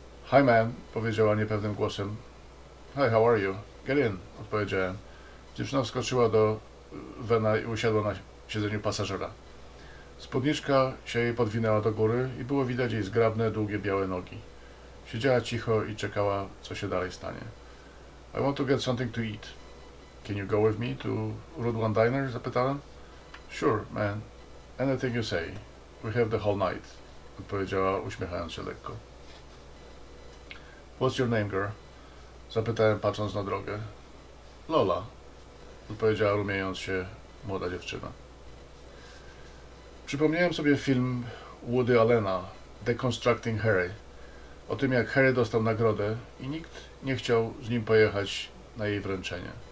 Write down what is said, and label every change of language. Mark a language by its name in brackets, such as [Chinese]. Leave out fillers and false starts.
[English] Hi man, [Polish] powiedziała niepewnym głosem. [English] Hi, how are you? Get in, [Polish] odpowiedziałem. Dziewczyna wskoczyła do Vena i usiadła na siedzeniu pasażera. Spódniczka się jej podwinęła do góry i było widać jej zgrabne, długie, białe nogi. Siedziała cicho i czekała, co się dalej stanie. [English] I want to get something to eat. Can you go with me to Route 1 Diner? [Polish] Zapytałem. [English] Sure, man. Anything you say. We have the whole night. [Polish] Odpowiedziała, uśmiechając się lekko. [English] What's your name, girl? [Polish] Zapytałem, patrząc na drogę. [English] Lola. [Polish] Odpowiedziała, rumieniąc się, młoda dziewczyna. Przypomniałem sobie film Woody Allena, Deconstructing Harry, o tym, jak Harry dostał nagrodę i nikt nie chciał z nim pojechać na jej wręczenie.